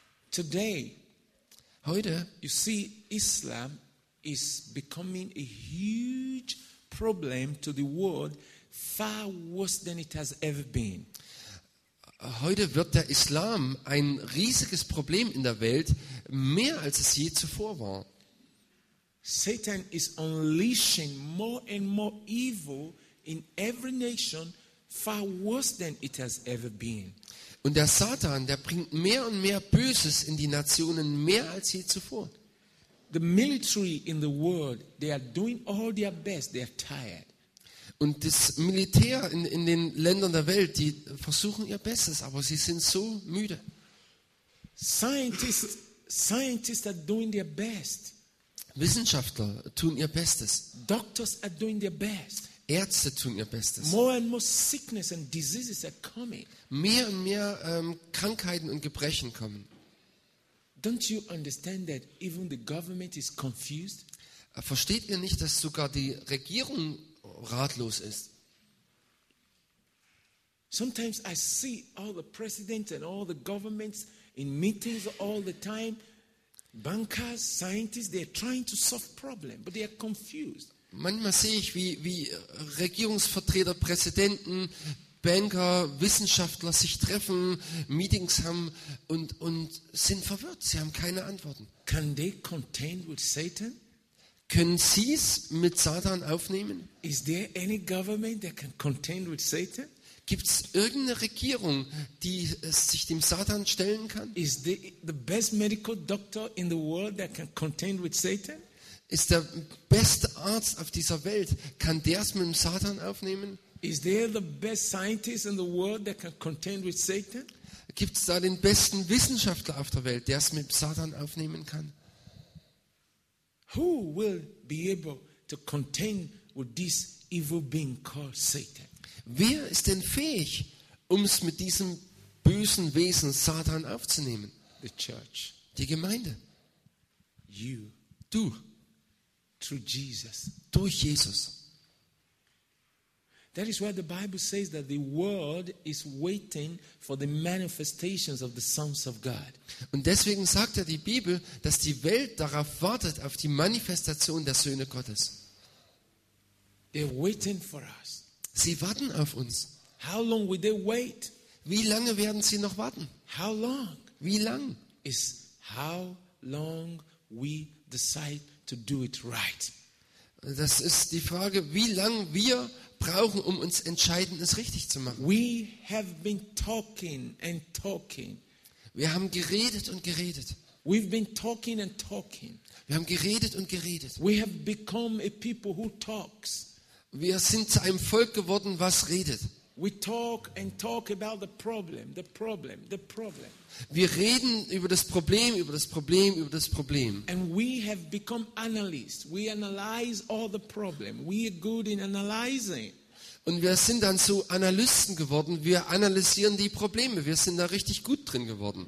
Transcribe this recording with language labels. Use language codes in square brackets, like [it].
[en] Today, [de] heute, [en] you see, Islam is becoming a huge problem to the world, far worse than it has ever been. [de] Heute wird der Islam ein riesiges Problem in der Welt, mehr als es je zuvor war. [en] Satan is unleashing more and more evil in every nation, far worse than it has ever been. [de] Und der Satan, der bringt mehr und mehr Böses in die Nationen, mehr als je zuvor. [en] The military in the world, they are doing all their best, they are tired. [de] Und das Militär in den Ländern der Welt, die versuchen ihr Bestes, aber sie sind so müde. [en] Scientists are doing their best. [de] Wissenschaftler tun ihr Bestes. [en] Doctors are doing their best. [de] Ärzte tun ihr Bestes. [en] More and more sickness and diseases are coming. [de] Mehr und mehr Krankheiten und Gebrechen kommen. [en] Don't you understand that even the government is confused? [de] Versteht ihr nicht, dass sogar die Regierung ratlos ist? [en] Sometimes I see all the presidents and all the governments in meetings all the time. Bankers, scientists, they are trying to solve problems, but they are confused. [de] Manchmal sehe ich, wie Regierungsvertreter, Präsidenten, Banker, Wissenschaftler sich treffen, Meetings haben und sind verwirrt. Sie haben keine Antworten. [en] Can they contend with Satan? [de] Können sie es mit Satan aufnehmen? [en] Is there any government that can contend with Satan? [de] Gibt es irgendeine Regierung, die es sich dem Satan stellen kann? [en] Is the best medical doctor in the world that can contend with Satan? [de] Ist der beste Arzt auf dieser Welt, kann der es mit dem Satan aufnehmen? [en] Is there the best scientist in the world that can contend with Satan? [de] Gibt es da den besten Wissenschaftler auf der Welt, der es mit Satan aufnehmen kann? [en] Who will be able to contend with this evil being called Satan? [de] Wer ist denn fähig, um es mit diesem bösen Wesen Satan aufzunehmen? [en] The church. [de] Die Gemeinde. [en] You. [de] Du. [en] Through Jesus. [de] Durch Jesus. [en] That is why the Bible says that the world is waiting for the manifestations of the sons of God. [de] Und deswegen sagt ja die Bibel, dass die Welt darauf wartet, auf die Manifestation der Söhne Gottes. [en] They're waiting for us. [de] Sie warten auf uns. [en] How long will they wait? [de] Wie lange werden sie noch warten? [en] How long? [de] Wie lang? [en] Is how long we decide to do it right. [de] Das ist die Frage, wie lange wir brauchen, um uns entscheiden, es richtig zu machen. [en] We have been talking and talking. [de] Wir haben geredet und geredet. [en] We've been talking and talking. [de] Wir haben geredet und geredet. [en] We have become a people who talks. [de] Wir sind zu einem Volk geworden, was redet. [en] We talk and talk about the problem, the problem, the problem. [de] Wir reden über das Problem, über das Problem, über das Problem. [en] And we have become analysts. We analyze all the problem. We are good in analyzing. [de] Und wir sind dann so Analysten geworden. Wir analysieren die Probleme. Wir sind da richtig gut drin geworden.